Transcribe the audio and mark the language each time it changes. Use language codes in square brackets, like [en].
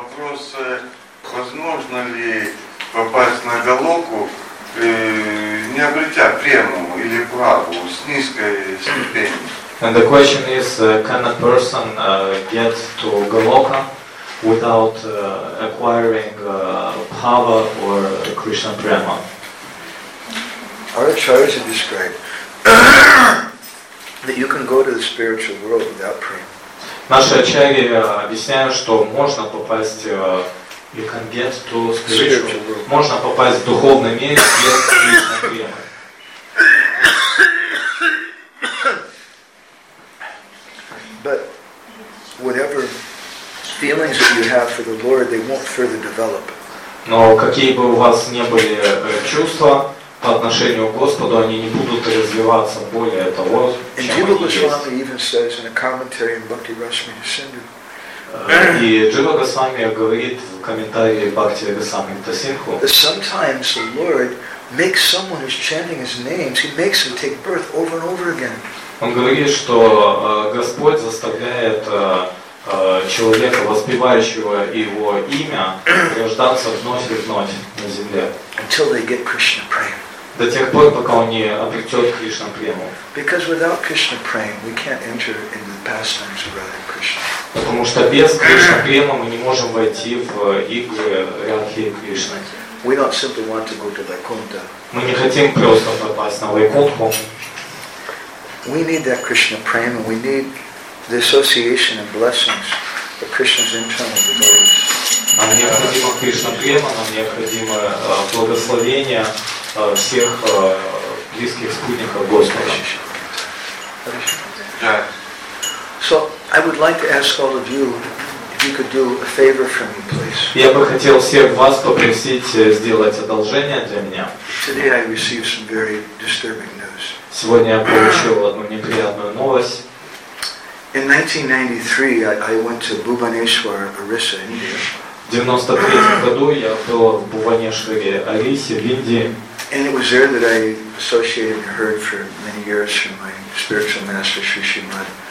[ru] Можно ли попасть на Голоку, не обретя прему или праву с низкой ступенью? [en] And the question is, can a person get to Goloka without acquiring bhava or Krishna prema? Our acharyas have described that you can go to the spiritual world without prema. [ru] Наши ачарьи объясняют, что можно попасть [en] you can get to spiritual world. [ru] Можно попасть в духовный мир без Кришны премы. [en] But whatever feelings that you have for the Lord, they won't further develop. [ru] Но какие бы у вас не были чувства по отношению к Господу, они не будут развиваться более того, чем они есть. [en] Swami even says in a commentary in Bhakti Rasamrita Sindhu. [ru] И Джива Госвами говорит в комментарии Бхакти Госвамита Синху. [en] Sometimes the Lord makes someone who's chanting His names, He makes them take birth over and over again. [ru] Он говорит, что Господь заставляет человека, воспевающего Его имя, рождаться вновь и вновь на земле. [en] Until they get Krishna prema. [ru] До тех пор, пока он не обретет Кришна прему. [en] Because without Krishna prema, we can't enter into the pastimes of Radha Krishna. [ru] Потому что без Кришна према мы не можем войти в игры Радхи и Кришны. [en] We don't simply want to go to Vaikuntha. [ru] Мы не хотим просто попасть на Вайкунтху. [en] We need that Krishna prema, and we need the association and blessings of Krishna's internal devotees. [ru] Нам необходимо Кришна према, нам необходимо благословение всех близких спутников Господа. [en] So I would like to ask all of you if you could do a favor for me, please. [ru] Я бы хотел всех вас попросить сделать одолжение для меня. [en] Today I received some very disturbing news. [ru] Сегодня я получил одну неприятную новость. [en] In 1993 I went to Bhubaneswar, Orissa, India. [ru] В 93 году я был в Бхубанешваре, Орисе, в Индии. [en] And it was there that I associated and heard for many years from my spiritual master, Sri Srimad.